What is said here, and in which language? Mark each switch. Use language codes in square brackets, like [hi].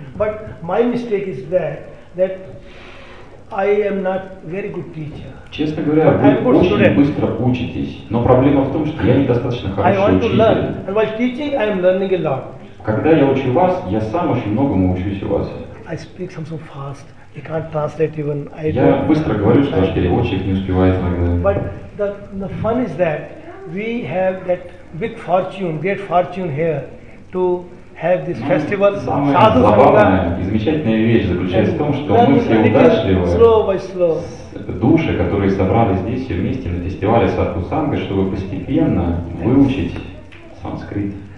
[en] But my mistake is that I am not very good teacher. [ru] Честно говоря, вы очень быстро учитесь, но проблема в том, что я недостаточно хорошо учитель. [en] And while teaching, I am learning a lot. [ru] Когда я учу вас, я сам очень многому учусь у вас. [en] I speak so fast, I can't translate even. [ru] Я быстро говорю, что ваш переводчик не успевает иногда. [en] But the fun is that we have that big fortune, great fortune here. To have this festival, Sadhu Sangha. [ru] И замечательная вещь заключается в том, что мы все удачливы, души, которые собрались здесь все вместе на фестивале Садху Санга, чтобы постепенно выучить санскрит.